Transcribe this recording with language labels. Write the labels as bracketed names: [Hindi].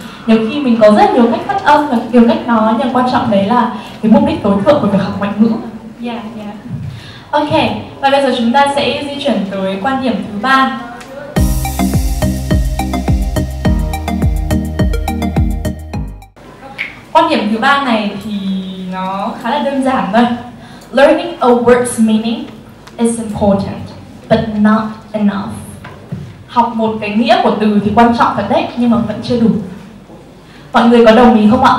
[Vietnamese] Nhiều khi mình có rất nhiều cách phát âm và nhiều cách nói, nhưng quan trọng đấy là cái mục đích tối thượng của việc học ngoại ngữ. [English] Yeah. [Vietnamese] Ok, và bây giờ chúng ta sẽ di chuyển tới quan điểm thứ ba. Quan điểm thứ ba này thì nó khá là đơn giản thôi. [English] Learning a word's meaning is important, but not enough. [Vietnamese] Học một cái nghĩa của từ thì quan trọng thật đấy, nhưng mà vẫn chưa đủ. Mọi người có đồng ý không ạ?